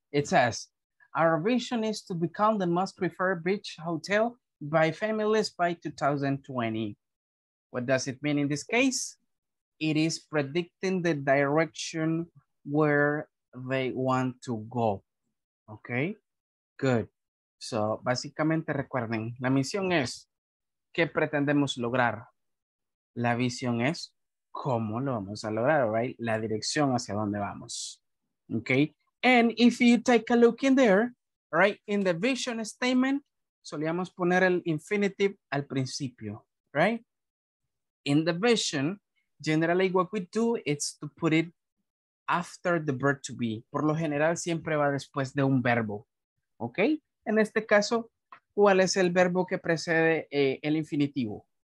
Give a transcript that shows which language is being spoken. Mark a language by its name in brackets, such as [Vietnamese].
[English] It says, our vision is to become the most preferred beach hotel by families by 2020. What does it mean in this case? It is predicting the direction where they want to go. Okay, good. [Spanish] So, básicamente recuerden, la misión es, ¿qué pretendemos lograr? La visión es, ¿cómo lo vamos a lograr? Right? La dirección hacia dónde vamos. Okay? [English] And if you take a look in there, right? In the vision statement, [Spanish] solíamos poner el infinitive al principio, [English] right? In the vision, generally what we do is to put it after the verb to be. [Spanish] Por lo general, siempre va después de un verbo. Okay? En este caso, ¿cuál es el verbo que precede el infinitivo?